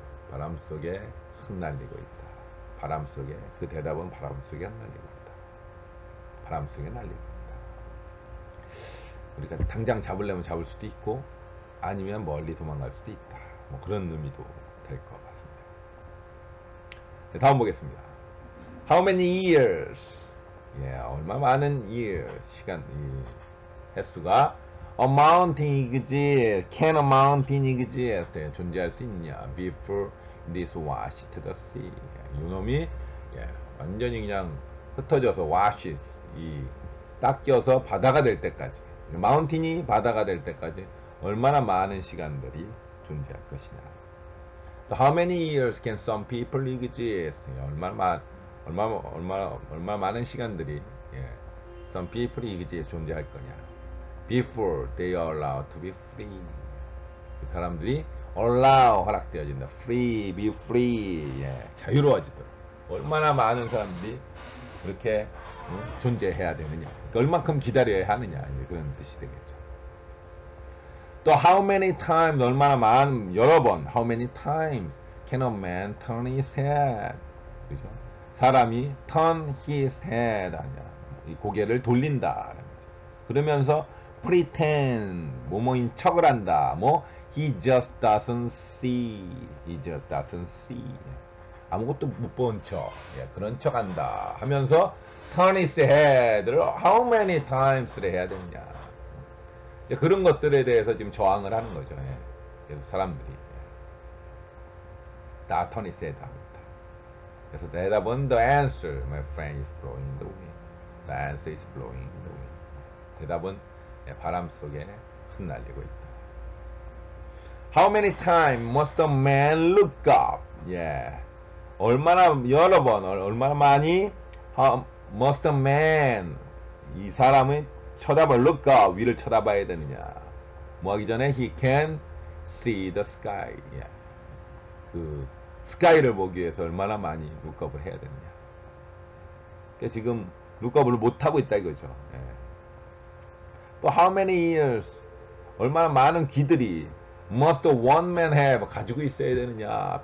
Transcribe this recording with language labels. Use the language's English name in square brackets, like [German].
[Korean] 바람 속에 흩날리고 있다. 바람 속에 그 대답은 바람 속에 흩날리고 있다. 바람 속에 날리고 있다. 우리가 당장 잡으려면 잡을 수도 있고 아니면 멀리 도망갈 수도 있다. 뭐 그런 의미도 될것 같습니다. 다음 보겠습니다. [English] How many years? [Korean] 얼마 많은 [English] years [Korean] 시간 횟수가 [English] A mountain exists, can a mountain exist? [Korean] 존재할 수 있냐? [English] Before this washed to the sea. [Korean] 이놈이 완전히 그냥 흩어져서 washes, 이 닦여서 바다가 될 때까지, 마운틴이 바다가 될 때까지 얼마나 많은 시간들이 존재할 것이냐? [English] How many years can some people exist? [Korean] 얼마나 많은 시간들이 [English] some people exist [Korean] 존재할 거냐? [English] Before they are allowed to be free. [Korean] 그 사람들이 allow 허락되어진다. [English] Free, be free. [Korean] 자유로워지도록. 얼마나 많은 사람들이 그렇게 존재해야 되느냐. 얼만큼 기다려야 하느냐. 그런 뜻이 되겠죠. [English] 또, how many times, [Korean] 얼마나 많은, 여러 번, [English] how many times can a man turn his head? [Korean] 그죠? 사람이 [English] turn his head [Korean] 하냐. 이 고개를 돌린다. 그러면서, pretend 뭐뭐인 척을 한다. [English] 뭐 he just doesn't see. he just doesn't see. [Korean] 아무것도 못본 척. 그런 척 한다. 하면서 [English] turn his head를 how many times를 [Korean] 해야 되느냐. 그런 것들에 대해서 지금 저항을 하는 거죠. 그래서 사람들이 다 [English] turn his head [Korean] 합니다. 그래서 대답은 [English] the answer, my friend is blowing the wind. the answer is blowing the wind. [Korean] 대답은 바람 속에 흩날리고 있다. [English] How many times must a man look up? [Korean] 얼마나 여러 번, 얼마나 많이 [English] must a man [Korean] 이 사람은 쳐다볼 [English] look up [Korean] 위를 쳐다봐야 되느냐? 뭐 하기 전에 [English] he can see the sky. [Korean] 그 스카이를 보기 위해서 얼마나 많이 [English] look up [Korean] 을 해야 되느냐? 그러니까 지금 [English] look up [Korean] 을 못 하고 있다 이거죠. [English] 또 how many ears? [Korean] 얼마나 많은 귀들이 [English] must one man have [Korean] 가지고 있어야 되느냐?